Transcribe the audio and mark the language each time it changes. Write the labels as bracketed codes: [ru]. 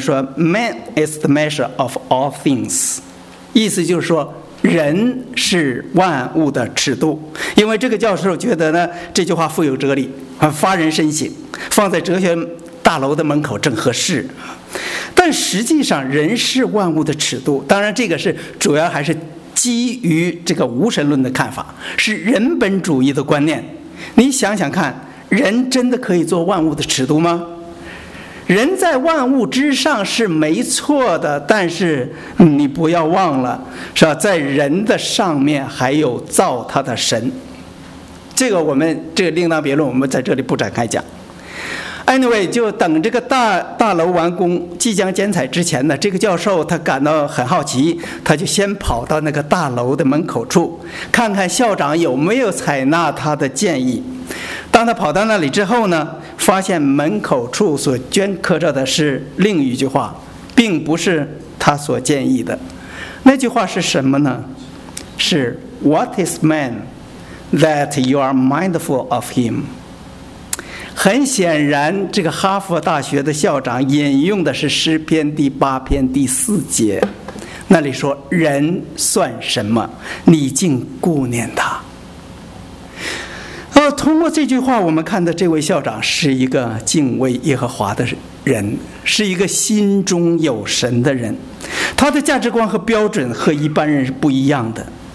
[zh] 说 [en] Man is the measure of all things， [zh] 意思就是说人是万物的尺度。因为这个教授觉得呢，这句话富有哲理，发人深省，放在哲学大楼的门口正合适。但实际上人是万物的尺度，当然这个是主要还是基于这个无神论的看法，是人本主义的观念。你想想看，人真的可以做万物的尺度吗？人在万物之上是没错的，但是你不要忘了，是吧？在人的上面还有造他的神，这个我们这个另当别论，我们在这里不展开讲。 Anyway， 就等这个大楼完工，即将剪彩之前呢，这个教授他感到很好奇，他就先跑到那个大楼的门口处，看看校长有没有采纳他的建议。当他跑到那里之后呢，发现门口处所镌刻着的是另一句话，并不是他所建议的。那句话是什么呢？ [en] 是 What is man that you are mindful of him？ [zh] 很显然，这个哈佛大学的校长引用的是诗篇第八篇第四节，那里说人算什么，你竟顾念他。通过这句话我们看到，这位校长是一个敬畏耶和华的人，是一个心中有神的人，他的价值观和标准和一般人是不一样的。